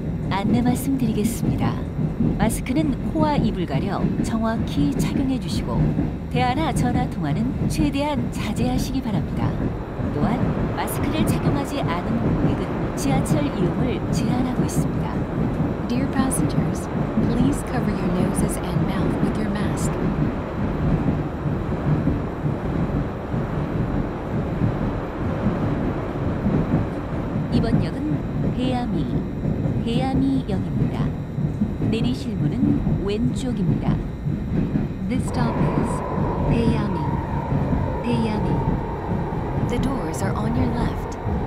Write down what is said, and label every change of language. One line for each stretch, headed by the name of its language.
Korean: 안내 말씀드리겠습니다. 마스크는 코와 입을 가려 정확히 착용해 주시고 대화나 전화 통화는 최대한 자제하시기 바랍니다. 또한 마스크를 착용하지 않은 고객은 지하철 이용을 제한하고 있습니다.
English: Dear passengers, please cover your noses and mouth with your mask.
Korean: 이번 역은 해야미, 해야미역입니다. 내리실 문은 왼쪽입니다.
English: This stop is 해야미, 해야미. The doors are on your left.